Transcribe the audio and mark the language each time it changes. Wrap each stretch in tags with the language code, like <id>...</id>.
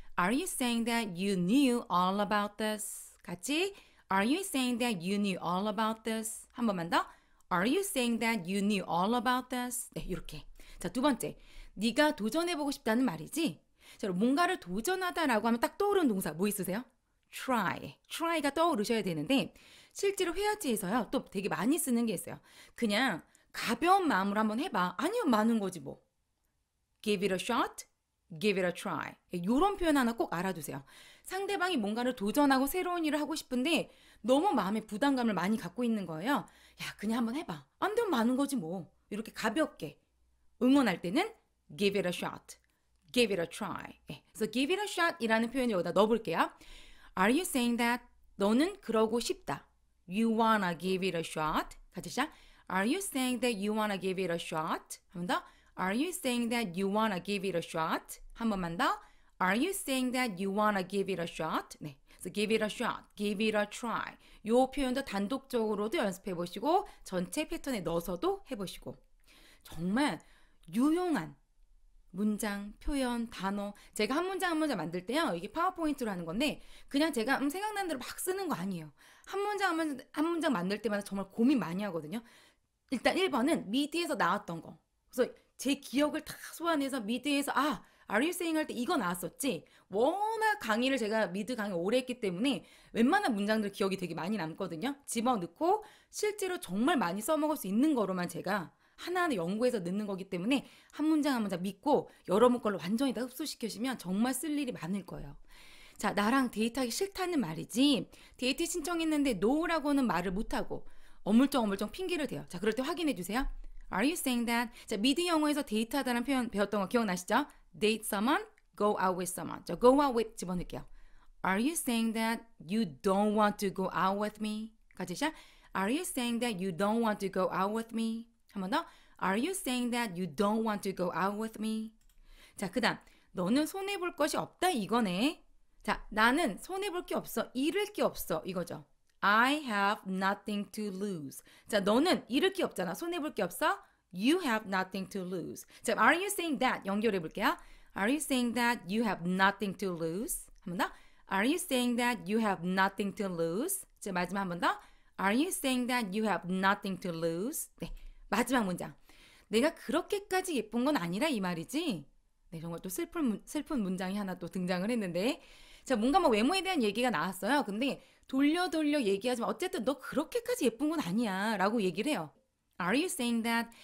<en>Are you saying that you knew all about this?</en> <ko>같이.</ko> <en>Are you saying that you knew all about this?</en> <ko>한 번만 더.</ko> <en>Are you saying that you knew all about this?</en> <ko>네, 이렇게. 자, 두 번째. 네가 도전해보고 싶다는 말이지? 자, 뭔가를 도전하다라고 하면 딱 떠오르는 동사 뭐 있으세요?</ko> <en>Try.</en> <ko>Try가 떠오르셔야 되는데 실제로 회화지에서요 또 되게 많이 쓰는 게 있어요. 그냥 가벼운 마음으로 한번 해봐. 아니요, 많은 거지 뭐.</ko> <en>Give it a shot, give it a try.</en> <ko>이런 표현 하나 꼭 알아두세요. 상대방이 뭔가를 도전하고 새로운 일을 하고 싶은데 너무 마음에 부담감을 많이 갖고 있는 거예요. 야, 그냥 한번 해봐. 안 되면 많은 거지 뭐. 이렇게 가볍게 응원할 때는</ko> <en>give it a shot, give it a try.</en> <ko>그래서 give it a shot이라는 표현을 여기다 넣어볼게요.</ko> <en>Are you saying that?</en> <ko>너는 그러고 싶다.</ko> <en>You wanna give it a shot?</en> <ko>같이 시작.</ko> <en>Are you saying that you wanna give it a shot?</en> <ko>한 번 더.</ko> <en>Are you saying that you wanna give it a shot?</en> <ko>한 번만 더.</ko> <en>Are you saying that you wanna give it a shot? 네. So give it a shot. Give it a try.</en> <ko>요 표현도 단독적으로도 연습해 보시고 전체 패턴에 넣어서도 해 보시고 정말 유용한 문장, 표현, 단어. 제가 한 문장 만들 때요. 이게 파워포인트로 하는 건데 그냥 제가 생각난 대로 막 쓰는 거 아니에요. 한 문장 만들 때마다 정말 고민 많이 하거든요. 일단 1번은 미드에서 나왔던 거. 그래서 제 기억을 다 소환해서 미드에서 아, Are you saying 할 때 이거 나왔었지? 워낙 강의를 제가 미드 강의 오래 했기 때문에 웬만한 문장들 기억이 되게 많이 남거든요. 집어넣고 실제로 정말 많이 써먹을 수 있는 거로만 제가 하나하나 연구해서 넣는 거기 때문에 한 문장 믿고 여러분 걸로 완전히 다 흡수시켜주시면 정말 쓸 일이 많을 거예요. 자, 나랑 데이트하기 싫다는 말이지. 데이트 신청했는데 노라고는 말을 못하고 어물쩡어물쩡 핑계를 대요. 자, 그럴 때 확인해 주세요.</ko> <en>Are you saying that?</en> <ko>자, 미드 영어에서 데이트하다는 표현 배웠던 거 기억나시죠?</ko> <en>Date someone, go out with someone. 자, go out with</en> <ko>집어넣을게요.</ko> <en>Are you saying that you don't want to go out with me?</en> <ko>같이 시작.</ko> <en>Are you saying that you don't want to go out with me?</en> <ko>한 번 더.</ko> <en>Are you saying that you don't want to go out with me?</en> <ko>자, 그 다음. 너는 손해볼 것이 없다 이거네. 자, 나는 손해볼 게 없어. 잃을 게 없어. 이거죠.</ko> <en>I have nothing to lose.</en> <ko>자, 너는 잃을 게 없잖아. 손해볼 게 없어.</ko> <en>You have nothing to lose. 자, are you saying that?</en> <ko>연결해 볼게요.</ko> <en>Are you saying that you have nothing to lose?</en> <ko>한 번 더.</ko> <en>Are you saying that you have nothing to lose?</en> <ko>자, 마지막 한 번 더.</ko> <en>Are you saying that you have nothing to lose?</en> <ko>네, 마지막 문장. 내가 그렇게까지 예쁜 건 아니라 이 말이지. 네, 정말 또 슬픈 문장이 하나 또 등장을 했는데. 자, 뭔가 뭐 외모에 대한 얘기가 나왔어요. 근데 돌려 얘기하지만 어쨌든 너 그렇게까지 예쁜 건 아니야 라고 얘기를 해요.</ko> <en>Are you saying that?</en>